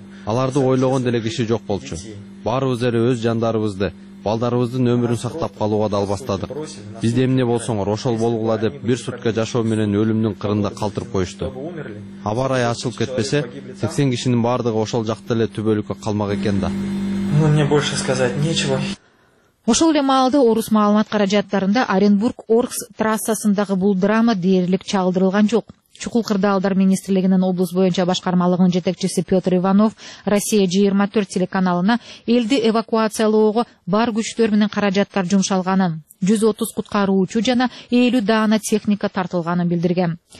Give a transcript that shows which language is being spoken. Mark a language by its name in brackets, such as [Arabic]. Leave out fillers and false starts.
[Kyrgyz] Аларды ойлогон деле киши жок болчу. Баарыбыз эле өз жандарыбызды, балдарыбыздын өмүрүн сактап калууга далбастадык. Бизди эмне болсоңор ошол болгула деп бир сутка жашоо менен өлүмдүн кырында калтырып коюшту. Аба ырайы ачылып кетпесе 80 кишинин баардыгы ошол жакта эле түбөлүккө калмак экен да. [Russian] Ну мне больше сказать нечего. [Kyrgyz] Ошол эле маалда орус маалымат каражаттарында Оренбург Оркс трассасындагы бул драма дээрлик чагылдырылган жок. Чукул кырдаалдар министрлигинин облус боюнча башкармалыгынын жетекчиси Петр Иванов Россия 24 телеканалына элди эвакуациялоого бар күчтөр менен каражаттар жумшалганын, 130 куткаруучу жана 50 даана техника тартылганын билдирген.